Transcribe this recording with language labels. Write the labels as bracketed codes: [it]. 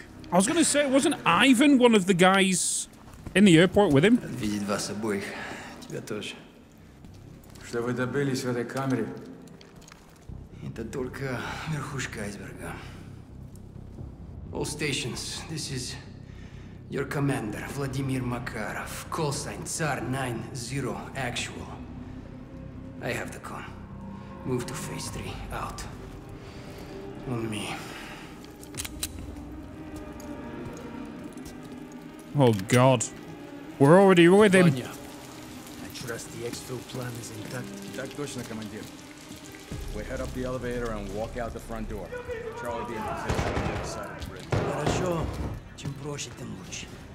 [en] I was gonna say, wasn't Ivan one of the guys in the airport with him? [ru] Видит вас обоих, тебя тоже. Что вы добились в этой камере? Это только верхушка айсберга. [en] All stations, this is your commander, Vladimir Makarov. Call sign Tsar 90 actual. I have the con. Move to phase 3, out. On me. Oh God, we're already with him. I trust the exfil plan is intact. [ru] Так точно, командир. [en] We head up the elevator and walk out the front door. Charlie, be in the bridge. [ru] Хорошо, чем проще, тем лучше.